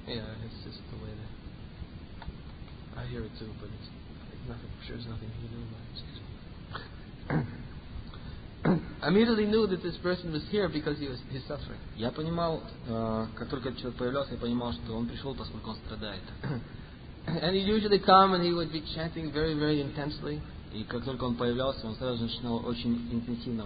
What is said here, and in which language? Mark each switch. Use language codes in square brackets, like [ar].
[en] Yeah, it's just the way that I hear it too, but it's nothing. I'm sure there's nothing he knew about it. I immediately knew that this person was here because he's suffering. [ru] Я понимал, как только этот человек появлялся, я понимал, что он пришел, поскольку он страдает. [en] And he usually come and he would be chanting very, very intensely. [ru] И как только он появлялся, он сразу начинал очень интенсивно